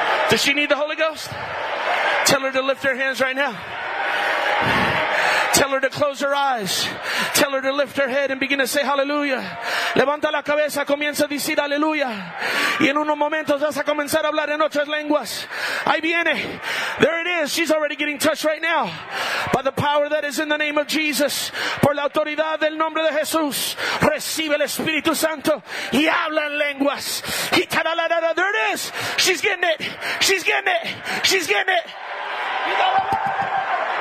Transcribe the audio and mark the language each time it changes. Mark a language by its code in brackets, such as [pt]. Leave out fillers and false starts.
[en] Does she need the Holy Ghost? Tell her to lift her hands right now. Tell her to close her eyes. Tell her to lift her head and begin to say hallelujah. [es] Levanta la cabeza, comienza a decir aleluya. Y en unos momentos vas a comenzar a hablar en otras lenguas. Ahí viene. [en] There it is. She's already getting touched right now. By the power that is in the name of Jesus. [es] Por la autoridad del nombre de Jesús. Recibe el Espíritu Santo. Y habla en lenguas. [en] There it is. She's getting it. She's getting it. She's getting it.